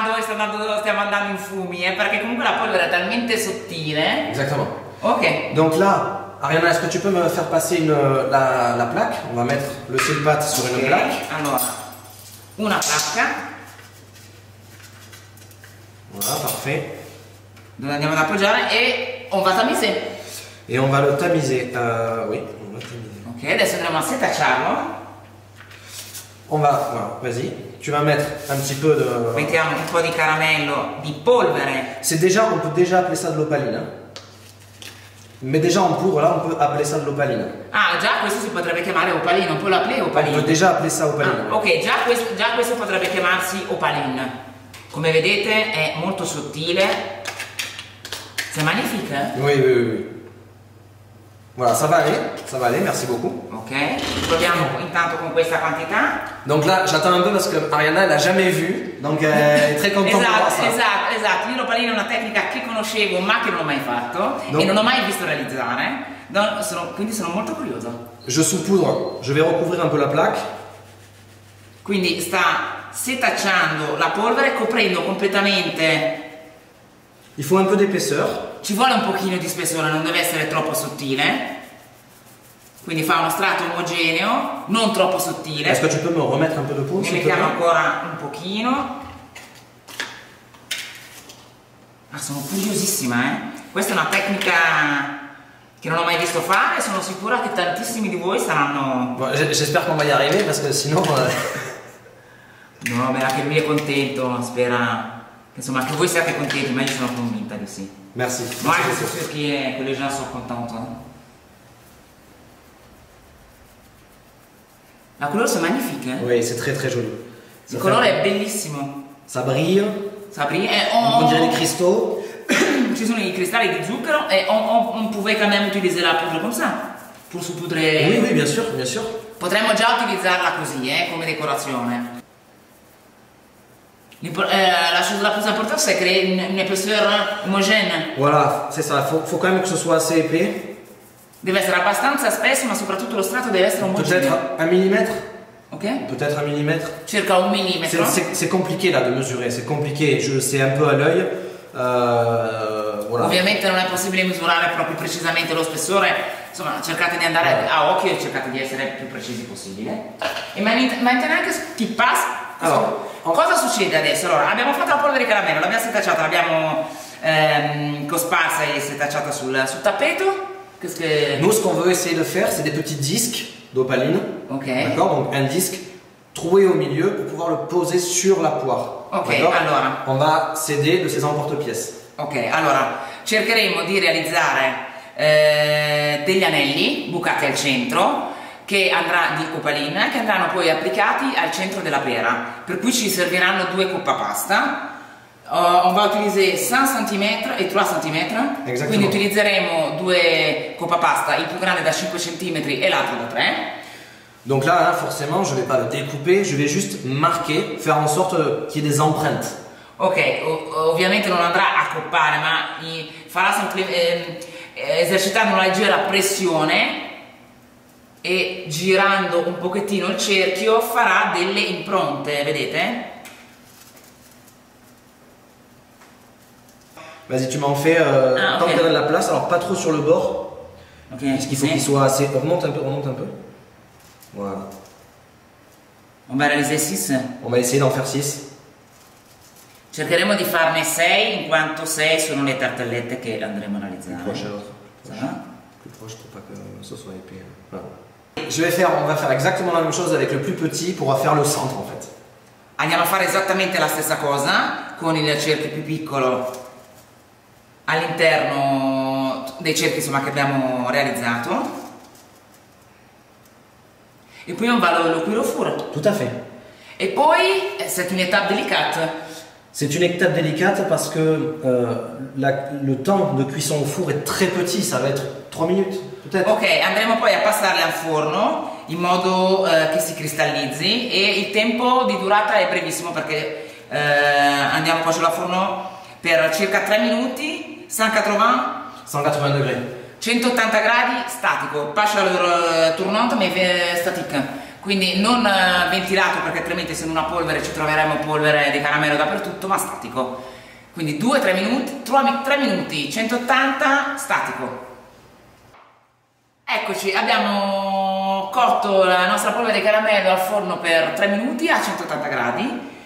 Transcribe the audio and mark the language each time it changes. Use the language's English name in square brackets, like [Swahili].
[Italian] Andando in fumi, perché comunque la polvere è talmente sottile. [French] Exactement. Ok. Donc là, Ariana, est-ce que tu peux me faire passer la plaque? On va mettre le silpat sur une plaque. [Italian] Allora, una placca. [French] Voilà, parfait. Donc [Italian] andiamo ad appoggiare [French] et on va tamiser. Et on va le tamiser. Oui, on va tamiser. [Italian] Ok, adesso andiamo a setacciarlo. [French] On va, voilà, vas-y. Tu vas mettre un petit peu de... [Italian] Mettiamo un po' di caramello, di polvere. [French] C'est déjà, on peut déjà appeler ça de l'opaline. Hein? Mais déjà en poudre, là, on peut appeler ça de l'opaline. [Italian] Ah, già questo si potrebbe chiamare opaline, [French] on peut l'appeler opaline. On peut déjà appeler ça opaline. [Italian] Ah, ok, già questo potrebbe chiamarsi opaline. Come vedete, è molto sottile. [French] C'est magnifique. Oui, oui, oui. Voilà, ça va aller, merci beaucoup. [Italian] Ok, proviamo intanto con questa quantità. [French] Donc là, j'attends un peu parce que Arianna, elle a jamais vu, donc elle est très contente [Italian] esatto, [French] de voir ça. [Italian] Esatto, esatto, io l'opalina è una tecnica che conoscevo ma che non ho mai fatto donc, e non ho mai visto realizzare, donc, quindi sono molto curiosa. [French] Je saupoudre, je vais recouvrir un peu la plaque. [Italian] Quindi sta setacciando la polvere, coprendo completamente. [French] Il faut un peu d'épaisseur. [Italian] Ci vuole un pochino di spessore, non deve essere troppo sottile. Quindi fa uno strato omogeneo, non troppo sottile. [French] Est-ce que tu peux me remettre un peu de poudre? [Italian] Ne mettiamo ancora un pochino. Ma sono curiosissima, eh? Questa è una tecnica che non ho mai visto fare, sono sicura che tantissimi di voi saranno... [French] J'espère qu'on va y arriver, parce que sinon... [Italian] No, beh, anche lui è contento, spera... Insomma, che voi siate contenti, ma io sono convinta di sì. [French] Merci. [Italian] Ma anche se sono sicura che [French] le gens [Italian] sono contenti. [French] La couleur c'est magnifique. Hein? Oui, c'est très très joli. [Italian] Le colore è bellissimo. [French] Ça brille. Ça brille. Et on dirait des cristaux. [Italian] Ci sono i cristalli di zucchero e [French] on pouvait quand même utiliser la poudre comme ça. Pour saupoudrer. Oui, oui, bien sûr, bien sûr. [Italian] Potremmo già utilizzarla così, come decorazione. [French] La chose la plus importante c'est créer une épaisseur homogène. Voilà, c'est ça. Faut quand même que ce soit assez épais. [Italian] Deve essere abbastanza spesso, ma soprattutto lo strato deve essere omogeneo. [French] Peut-être un millimètre. Ok. Peut-être un millimètre. [Italian] Circa un millimetro. [French] C'est compliqué là de mesurer, c'est compliqué, c'est un peu à l'œil. Voilà. [Italian] Ovviamente non è possibile misurare proprio precisamente lo spessore. Insomma, cercate di andare a occhio e cercate di essere più precisi possibile. E mantenete anche ti passa. Allora, cosa succede adesso? Allora, abbiamo fatto la polvere di caramello, l'abbiamo setacciata, l'abbiamo cosparsa e setacciata sul tappeto. [French] Nous, ce qu'on veut essayer de faire, c'est des petits disques d'opaline. Ok. D'accord? Donc, un disque troué au milieu pour pouvoir le poser sur la poire. Ok, alors. On va s'aider de ces emporte-pièces. [Italian] Ok, alors, cercheremo di realizzare degli anelli bucati al centro, che andrà di opaline, che andranno poi applicati al centro della pera. Per cui ci serviranno due coppa pasta. On va utilizzare 5 cm e 3 cm, quindi utilizzeremo due coppa pasta, il più grande da 5 cm e l'altro da 3. [French] Donc là, forcément, je vais pas le découper, je vais juste marquer, faire en sorte qu'il y ait des empreintes. [Italian] Ok, ovviamente non andrà a coppare, ma farà esercitando una leggera pressione e girando un pochettino il cerchio farà delle impronte, vedete? [French] Vas-y, tu m'en fais tant que t'as de la place, alors pas trop sur le bord. Ok. Parce qu'il faut qu'il soit assez. Remonte un peu, remonte un peu. Voilà. On va réaliser 6. On va essayer d'en faire 6. [Italian] Cercheremo di farne 6, in quanto 6 sono le tartellette che andremo a analizzare. [French] Plus proche alors. Plus proche pour pas que ce soit épais. Hein. Voilà. On va faire exactement la même chose avec le plus petit pour faire le centre en fait. [Italian] Andiamo a fare esattamente la stessa cosa con il cerchio più piccolo. All'interno dei cerchi insomma che abbiamo realizzato e poi un valore lo cuirofuro. [French] Tout à fait. [Italian] E poi [French] c'est une étape délicate. C'est une étape délicate parce que le temps de cuisson au four est très petit, ça va être 3 minutes peut-être. [Italian] Ok, andremo poi a passarle al forno in modo che si cristallizzi e il tempo di durata è brevissimo perché andiamo poi sul forno per circa 3 minuti. [French] 180 degrés. 180 [Italian] gradi statico, [French] pas chaleur tournante mais statique. [Italian] Quindi non ventilato perché altrimenti se non una polvere ci troveremo polvere di caramello dappertutto, ma statico. Quindi 2-3 minuti, 3 minuti, 180 statico. Eccoci, abbiamo cotto la nostra polvere di caramello al forno per 3 minuti a 180 gradi.